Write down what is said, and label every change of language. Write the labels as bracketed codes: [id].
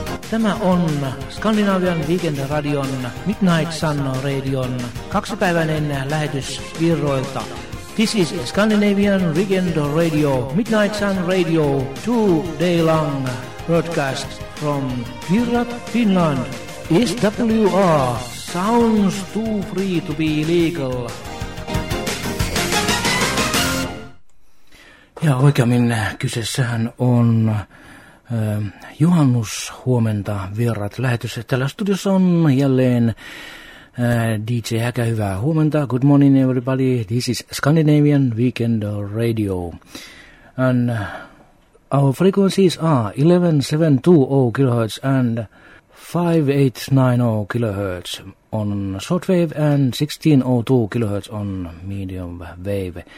[fi] Tämä on Skandinavian Weekend Radion Midnight Sun Radion kaksipäiväinen lähetys Virroilta. [en] This is Scandinavian Weekend Radio Midnight Sun Radio 2-day long broadcast from Virra, Finland. SWR sounds too free to be legal. [fi] Ja oikeammin kyseessähän on juhannus huomenta vierat lähetys. Tällä studiossa on jälleen DJ Häkä. Hyvää huomenta. [en] Good morning everybody. This is Scandinavian Weekend Radio. And our frequencies are 11720 kHz and 5890 kHz on short wave and 1602 kHz on medium wave.